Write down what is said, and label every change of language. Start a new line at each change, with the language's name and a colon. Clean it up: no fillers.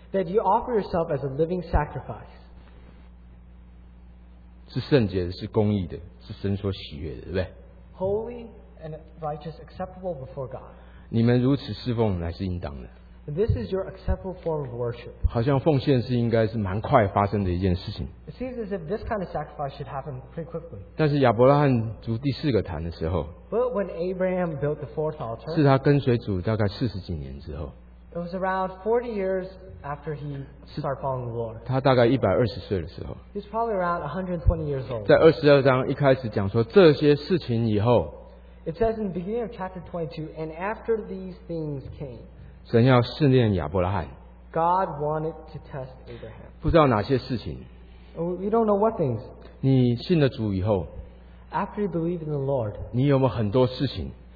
English: that you offer yourself as a living sacrifice.
Chinese: 是圣洁的, 是公义的, 是神所喜悦的, 对不对?
English: Holy and righteous, acceptable before God.
Chinese: 你们如此侍奉乃是应当的,
English: this is your acceptable form of worship.
Chinese: 好像奉献是应该是蛮快发生的一件事情,
English: it seems as if this kind of sacrifice should happen pretty quickly.
Chinese: 但是亚伯拉罕筑第四个坛的时候,
English: but when Abraham built the fourth altar,
Chinese: 是他跟随主大概40几年之后,
English: it was around 40 years after he started following the Lord.
Chinese: 他大概120岁的时候,
English: he was probably around 120 years old.
Chinese: 在22章一开始讲说, 这些事情以后,
English: it says in the beginning of chapter 22, and after these things came,
Chinese: 神要试炼亚伯拉罕,
English: God wanted to test Abraham.
Chinese: 不知道哪些事情,
English: we don't know what things.
Chinese: 你信了主以后,
English: after you believe in the Lord,
Chinese: 你有没有很多事情,